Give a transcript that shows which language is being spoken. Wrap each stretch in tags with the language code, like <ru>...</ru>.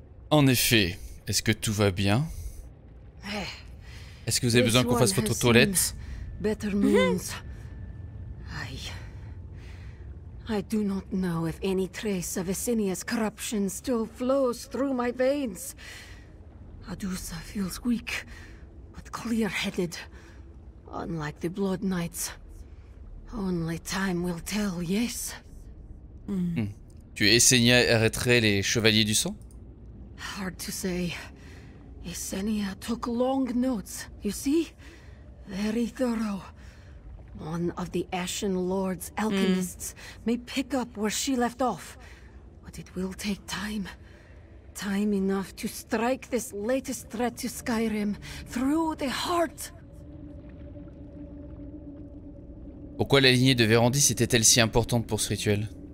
<fr>En effet, est-ce que tout va bien?</fr> <en>Hey,</en> <fr>Est-ce que vous avez besoin qu'on fasse votre toilette?</fr> <en>Better means. I do not know if any trace of Asinia's corruption still flows through my veins. Adusa feels weak, but clear-headed. Unlike the Blood Knights. Only time will tell, yes.</en> <fr>Tu es Asinia arrêterait les chevaliers du sang?</fr> <en>Hard to say. Asinia took long notes, you see? Very thorough. One of the Ashen Lord's alchemists may pick up where she left off, but it will take time. Time enough to strike this latest threat to Skyrim through the heart.</en> <fr>Pourquoi la lignée de Verandis était-elle si importante pour ce rituel?</fr>